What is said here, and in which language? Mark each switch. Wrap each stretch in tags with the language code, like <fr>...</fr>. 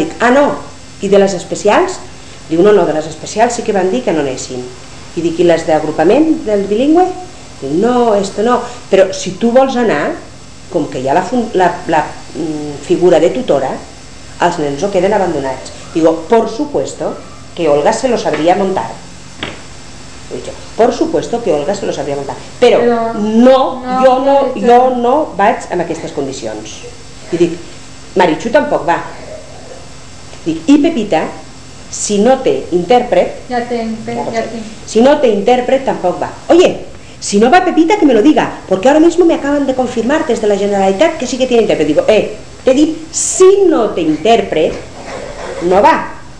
<ca>Dic, ah, no, i de les especials? Diu, no, de les especials sí que van dir que no anessin. I dic, i les d'agrupament del bilingüe? Diu, no,</ca> <es>esto no,</es> <ca>però si tu vols anar, com que hi ha la figura de tutora, els nens ho queden abandonats.</ca> <es>Digo, por supuesto que Olga se los sabría montar. Dicho, por supuesto que Olga se los sabría montar.</es> <ca>Pero no, jo no vaig amb aquestes condicions. I dic, Maritxu tampoc va. Dic, i Pepita, si no té intèrpret... Ja tinc. Si no té intèrpret, tampoc va.</ca> <es>Oye, si no va Pepita, que me lo diga. Porque ahora mismo me acaban de confirmar des de la Generalitat que sí que tiene intèrpret.</es> <ca>Digo, t'he dit, si no té intèrpret, no va.</ca>